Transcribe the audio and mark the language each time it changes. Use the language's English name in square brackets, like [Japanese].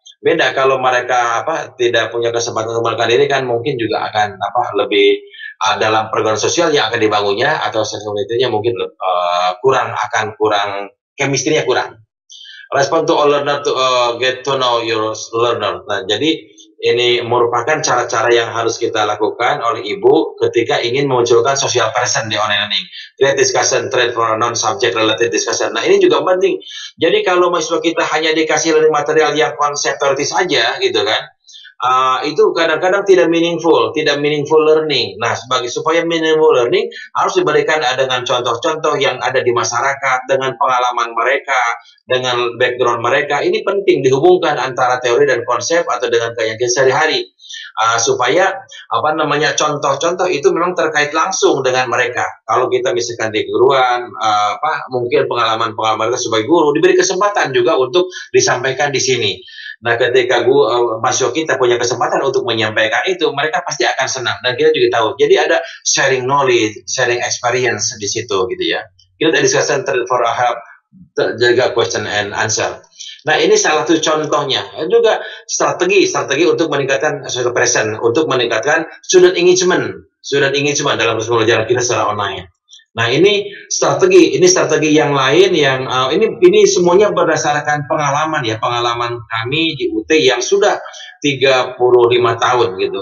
[Indonesian] Beda kalau mereka tidak punya kesempatan untuk mengenalkan diri, kan mungkin juga akan lebih dalam program sosial yang akan dibangunnya atau sesuatunya mungkin kurang chemistry-nya kurang. [English] Respond to all learner to get to know your learner. [Indonesian] Nah, jadi ini merupakan cara-cara yang harus kita lakukan oleh ibu ketika ingin memunculkan social presence di online learning. [English] Create discussion trend for non-subject related discussion. [Indonesian] Nah, ini juga penting. Jadi kalau mahasiswa kita hanya dikasih learning material yang konseptualis saja gitu kan, itu kadang-kadang tidak meaningful learning. Nah, supaya meaningful learning harus diberikan dengan contoh-contoh yang ada di masyarakat, dengan pengalaman mereka, dengan background mereka. Ini penting dihubungkan antara teori dan konsep atau dengan keyakinan sehari-hari, supaya contoh-contoh itu memang terkait langsung dengan mereka. Kalau kita misalkan di keguruan, mungkin pengalaman-pengalaman mereka sebagai guru diberi kesempatan juga untuk disampaikan di sini. Nah, ketika mahasiswa kita punya kesempatan untuk menyampaikan itu, mereka pasti akan senang dan kita juga tahu. Jadi ada sharing knowledge, sharing experience di situ gitu ya. [English] Kita discussion for a help, jaga question and answer. [Indonesian] Nah, ini salah satu contohnya. Juga strategi untuk meningkatkan social presence, untuk meningkatkan student engagement dalam pembelajaran kita secara online. Nah, ini strategi yang lain yang ini semuanya berdasarkan pengalaman ya, pengalaman kami di UT yang sudah 35 tahun gitu.